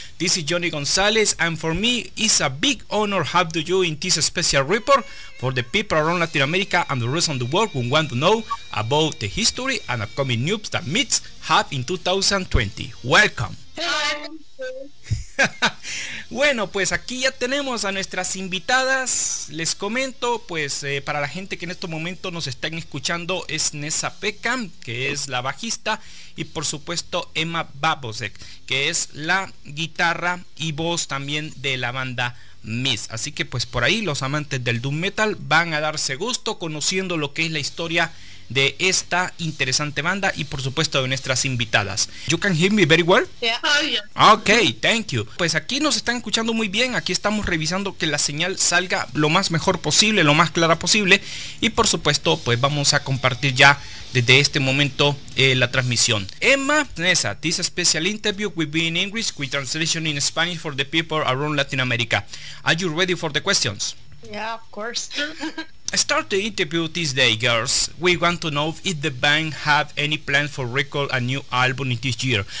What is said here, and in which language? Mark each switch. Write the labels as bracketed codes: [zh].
[en] This is Johnny González and for me it's a big honor have to you in this special report for the people around Latin America and the rest of the world who want to know about the history and upcoming news that Mist had in 2020. Welcome. [es] Bueno, pues aquí ya tenemos a nuestras invitadas. Les comento, pues para la gente que en este momento nos están escuchando, es Neža Pečan, que es la bajista, y por supuesto Ema Babošek, que es la guitarra y voz también de la banda Mist. Así que pues por ahí los amantes del doom metal van a darse gusto conociendo lo que es la historia de esta interesante banda y por supuesto de nuestras invitadas. [en] You can hear me very well? Yeah. Oh, yeah. Okay, thank you. [es] Pues aquí nos están escuchando muy bien, aquí estamos revisando que la señal salga lo más mejor posible, lo más clara posible, y por supuesto pues vamos a compartir ya desde este momento la transmisión. [en] Emma, Neža, this special interview will be in English with translation in Spanish for the people around Latin America. Are you ready for the questions? Yeah, of course. Start the interview this day, girls. We want to know if the band have any plans for record a new album in this year.